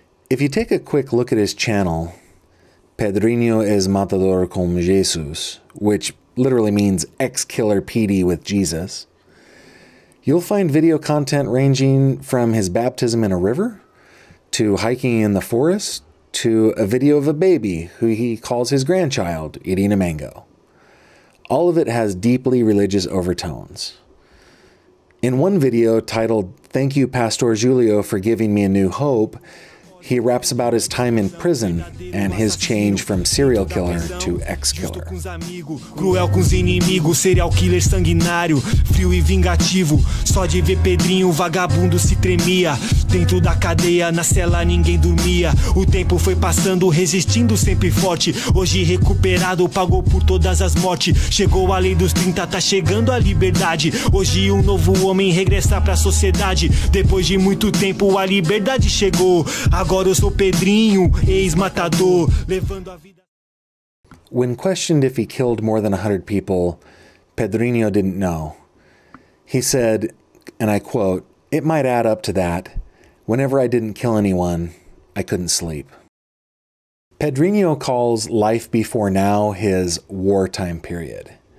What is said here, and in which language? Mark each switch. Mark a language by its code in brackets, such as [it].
[en] If you take a quick look at his channel, Pedrinho es Matador com Jesus, which literally means ex-killer PD with Jesus, you'll find video content ranging from his baptism in a river, to hiking in the forest, to a video of a baby who he calls his grandchild eating a mango. All of it has deeply religious overtones. In one video titled, "Thank You, Pastor Julio, for giving me a new hope," he raps about his time in prison and his change from serial killer to ex-killer. [pt] Cruel com os inimigos, serial killer sanguinário, frio e vingativo. Só de ver Pedrinho, vagabundo se tremia. Dentro da cadeia, na cela ninguém dormia. O tempo foi passando, resistindo sempre forte. Hoje recuperado, pagou por todas as mortes. Chegou a lei dos 30, tá chegando a liberdade. Hoje um novo homem regressa pra sociedade. Depois de muito tempo, a liberdade chegou. Agora eu sou Pedrinho, ex-matador, levando a vida. [en] When questioned if he killed more than 100 people, Pedrinho didn't know. He said, and I quote, "It might add up to that. Whenever I didn't kill anyone, I couldn't sleep." Pedrinho calls life before now his wartime period.